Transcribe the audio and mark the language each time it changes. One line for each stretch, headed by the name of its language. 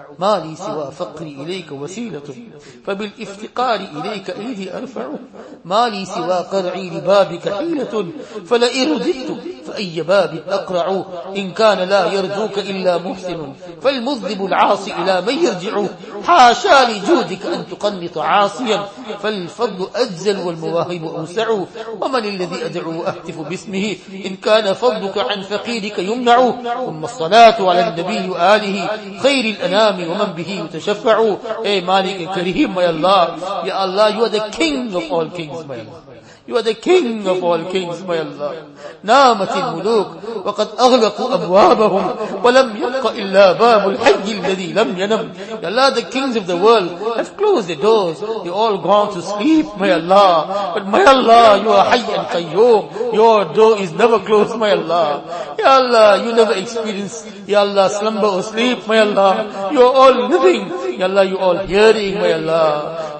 Arabic: Ma li siwa faqri ilayka وسيلة فبالافتقار إليك إيدي أرفع ما لي سوى قرعي لبابك حيلة فلئن رددت فأي باب أقرع إن كان لا يرجوك إلا محسن فالمذنب العاصي إلى من يرجع حاشا لجودك أن تقنط عاصيا فالفضل أجزل والمواهب أوسع ومن الذي أدعو أهتف باسمه إن كان فضلك عن فقيرك يمنع ثم الصلاة على النبي وآله خير الأنام ومن به يتشفع Eh, Malik al-Kareem,
English: my Allah. Ya Allah, you are the king of all kings, my Allah. You are the king of all kings, my Allah.
Arabic: نامت الملوك وقد أغلقوا أبوابهم ولم يبق إلا باب الحج الذي لم ينم.
English: Ya Allah, the kings of the world have closed their doors. They all gone to sleep, my Allah. But my Allah, you are Hayy and Qayyum. Your door is never closed, my Allah. Ya Allah, you never experience, Ya Allah, slumber or sleep, my Allah. You are all living. Ya Allah, you all hearing, my Allah.